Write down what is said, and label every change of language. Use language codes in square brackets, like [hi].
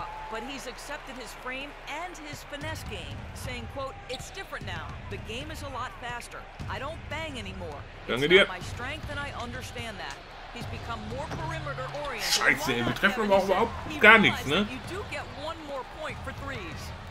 [en] But he's accepted his frame and his finesse game, saying, quote, it's different now. The game is a lot faster. I don't bang anymore. [de] Danke dir. [en] It's not my strength and I understand that. He's become more perimeter oriented. [de] Scheiße, wir treffen aber überhaupt gar nichts, ne? [en] You do get one more point for threes.